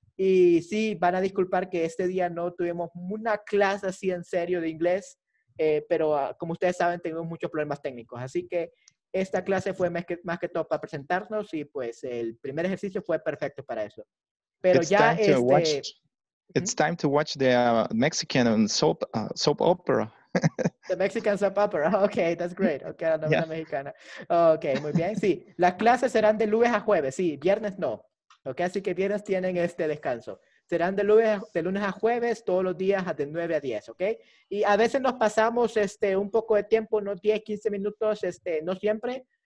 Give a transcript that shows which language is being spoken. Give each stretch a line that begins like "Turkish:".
Spanish: Y sí, van a disculpar que este día no tuvimos una clase así en serio de inglés, pero como ustedes saben, tenemos muchos problemas técnicos. Así que esta clase fue más que todo para presentarnos y pues el primer ejercicio fue perfecto para eso. Pero
English: it's
Spanish: ya
English: time to watch. ¿Mm? It's time to watch the Mexican soap opera. The Mexican soap opera. Okay, that's great. Okay,
Spanish: la novela mexicana.
English: Okay,
Spanish: muy bien. Sí, las clases serán de lunes a jueves. Sí, viernes no. Okay, así que viernes tienen este descanso. Serán de lunes a jueves, todos los días de 9 a 10, ¿ok? Y a veces nos pasamos un poco de tiempo, no 10, 15 minutos, no siempre.